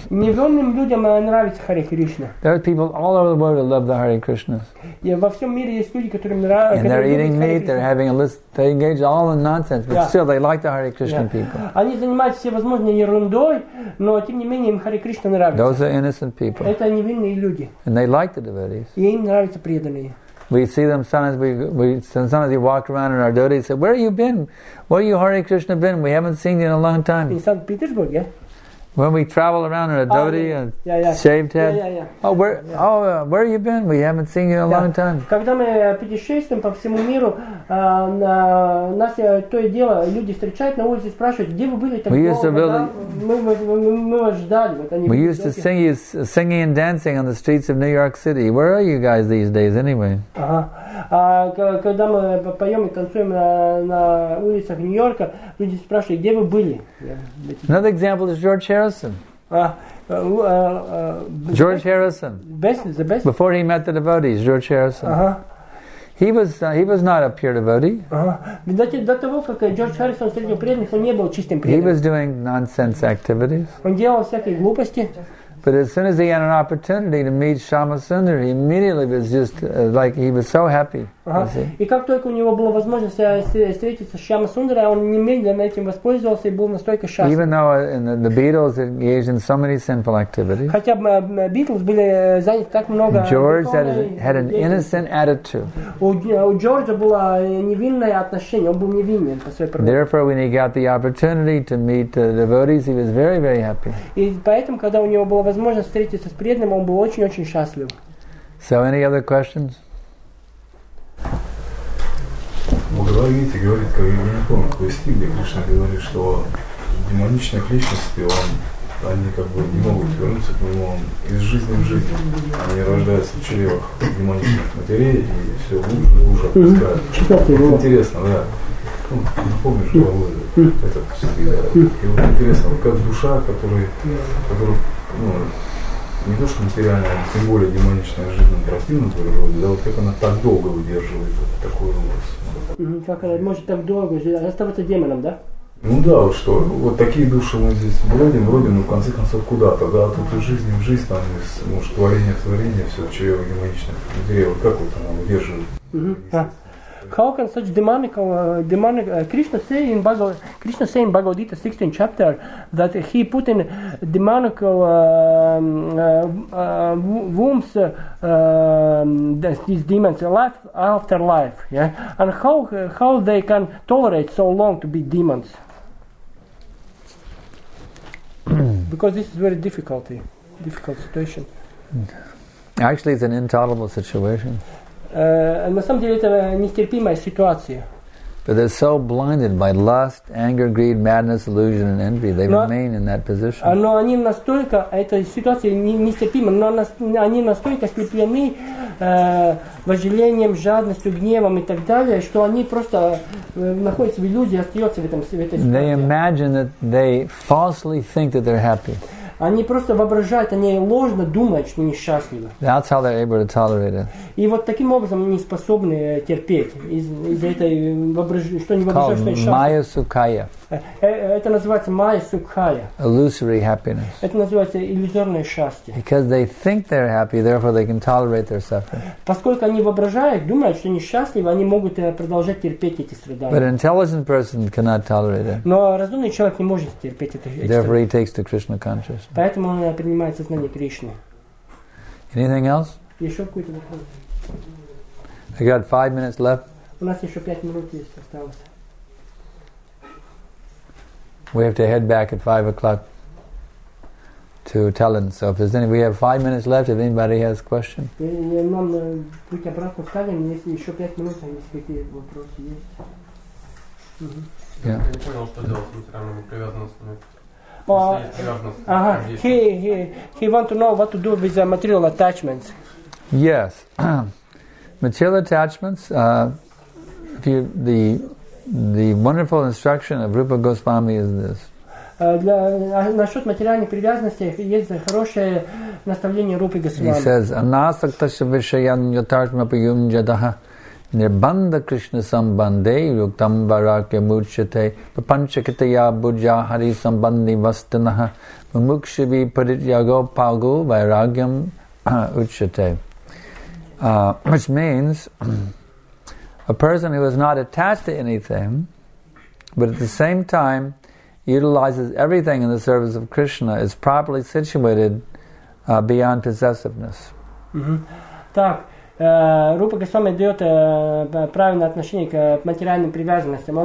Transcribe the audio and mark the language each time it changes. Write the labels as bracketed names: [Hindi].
[Russian] Невинным людям нравится Харе Кришна. [English] There are people all over the world who love the Hare Krishna. [Russian] Yeah, во всем мире есть люди, которым нравятся. [English] And they're eating meat. They're having a list. They engage all in nonsense, but still they like the Hare Krishna people. [Russian] Они занимаются всевозможной ерундой, но тем не менее им Харе Кришна нравится. [English] Those are innocent people. [Russian] Это невинные люди. [English] And they like the devotees. [Russian] И им нравятся преданные. [English] We see them sometimes. We sometimes walk around in our dhoti. Say, where have you been? Where have you, Hare Krishna, been? We haven't seen you in a long time. In St. Petersburg, yeah. When we travel around in a dhoti, shaved head. Yeah. Where have you been? We haven't seen you in a long time. [Russian] Когда мы путешествуем по всему миру, нас то и дело люди встречают на улице и спрашивают, где вы были так долго. [English] We used to build. [Russian] Мы вас ждали. [English] We used to sing you singing and dancing on the streets of New York City. Where are you guys these days, anyway? [Russian] Когда мы поем и танцуем на улицах Нью-Йорка, люди спрашивают, где вы были. [English] Another example is George Harrison. George Harrison. The best. Before he met the devotees, George Harrison. He was not a pure devotee. [Russian] До того, как Джордж Харрисон встретил преданных, он не был чистым преданным. [English] He was doing nonsense activities. [Russian] Он делал всякие глупости. [English] But as soon as he had an opportunity to meet Shama Sundar, he immediately was just like he was so happy. [Russian] И как только у него была возможность встретиться с Шама Сундара, он немедленно этим воспользовался и был настолько счастлив. [English] Even though the Beatles engaged in so many sinful activities. [Russian] Хотя Beatles были заняты так много. [English] George had an innocent attitude. [Russian] У Джорджа было невинное отношение. Он был невинен по своей природе. [English] Therefore, when he got the opportunity to meet the devotees, he was very, very happy. [Russian] И поэтому, когда у него была возможность встретиться с преданным, он был очень-очень счастлив. [English] So, any other questions? Okay. [Russian] Бхагавад-гите говорит, как я не помню, какой стих, где Кришна говорит, что демоничных личностей, они как бы не могут вернуться к нему, он из жизни в жизнь. Они рождаются в чревах демоничных матерей, и все глубже и глубже опускают. Интересно, да. Ну, помнишь, головой этот стих. И вот интересно, вот как душа, которая, ну, не то что материальная, а тем более демоничная жизнь противна природе, да, вот как она так долго удерживает вот такую власть. Как она может так долго жить, оставаться демоном, да? Ну да, вот что, вот такие души мы здесь бродим, бродим, но в конце концов куда-то, да, тут из жизни в жизнь, там, из, может, творение в творение, все, чрево демоничных людей, вот как вот она удерживает? [English] How can such demonic Krishna say in Bhagavad Gita 16th chapter that he put in demonic wombs these demons life after life, yeah? And how they can tolerate so long to be demons? Because this is very difficult situation. Actually, it's an intolerable situation. [Russian] На самом деле это нестерпимая ситуация. [English] But they're so blinded by lust, anger, greed, madness, illusion, and envy, they remain in that position. [Russian] Но они настолько, эта ситуация нестерпима, но они настолько ослеплены вожделением, жадностью, гневом и так далее, что они просто находятся в иллюзии, остаются в этой ситуации. [English] They imagine that they falsely think that they're happy. [Russian] Они просто воображают, они ложно думают, что они счастливы. [English] That's how they're able to tolerate it. [Russian] И вот таким образом они способны терпеть из-за этой воображения, что они воображают, что они счастливы. Майя сукхая. Это называется майя сукхая. [English] Illusory happiness. [Russian] Это называется иллюзорное счастье. [English] Because they think they're happy, therefore they can tolerate their suffering. [Russian] Поскольку они воображают, думают, что они счастливы, они могут продолжать терпеть эти страдания. [English] But an intelligent person cannot tolerate it. [Russian] Но разумный человек не может терпеть это. [English] Therefore he takes to Krishna consciousness. [Russian] Поэтому он принимает сознание Кришны. [English] Anything else? [Russian] Еще какой-то вопрос? [English] I got 5 minutes left. [Russian] У нас еще 5 минут есть осталось. [English] We have to head back at 5 o'clock to Tallinn. So if there's any, we have 5 minutes left. If anybody has question. [Russian] Нам путь обратно в Таллин, если еще 5 минут, а если какие вопросы есть. Я не понял, что делать с материальными привязанностями. [English] He want to know what to do with the material attachments. Yes, material attachments. The wonderful instruction of Rupa Goswami is this. [Russian] Насчет материальной привязанности есть хорошее наставление Рупы Госвами. [English] He says, [Sanskrit] "Anasaktasya vishayan yatartma payunjadaha." Nirbandha Krishna Sambande Yuktam Varakya Muchate Papanchakitaya Bhujya Hari Sambandi Vastanaha Mukshavi Paditjago Pagu Vairagyam Uchate. [English] Which means a person who is not attached to anything, but at the same time utilizes everything in the service of Krishna, is properly situated beyond possessiveness. Mm-hmm. [Russian] Рупа Госвами дает правильное отношение к материальным привязанностям.